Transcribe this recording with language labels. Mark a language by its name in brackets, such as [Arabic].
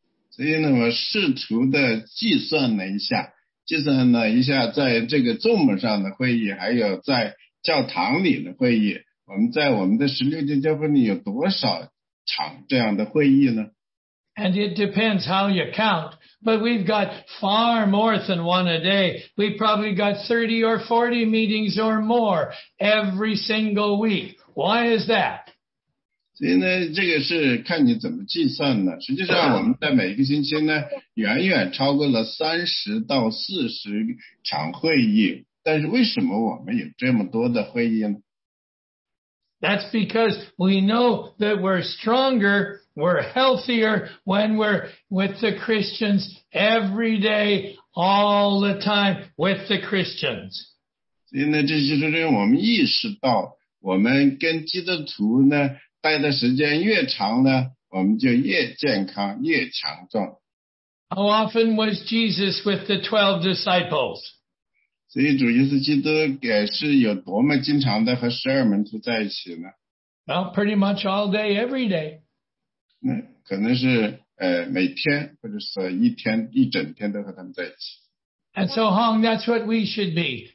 [Chinese] 所以呢，我试图的计算了一下，计算了一下在这个 Zoom 上的会议，还有在教堂里的会议，我们在我们的16街教会里有多少场这样的会议呢？ [English] And it depends how you count. But we've got far more than one a day. We've probably got 30 or 40 meetings or more every single week. Why is that? [Chinese] 所以呢，这个是看你怎么计算呢。实际上，我们在每一个星期呢，远远超过了30到40场会议。但是为什么我们有这么多的会议呢？ [English] That's because we know that we're stronger. We're healthier when we're with the Christians every day, all the time with the Christians. [Chinese] 所以呢，这就是让我们意识到，我们跟基督徒呢待的时间越长呢，我们就越健康，越强壮。 [English] How often was Jesus with the 12 disciples? [Chinese] 所以主耶稣基督也是有多么经常的和十二门徒在一起呢？ [English] Well, pretty much all day, every day. [Chinese] 可能是每天或者是一天一整天都和他们在一起。 [English] And so Hong, that's what we should be.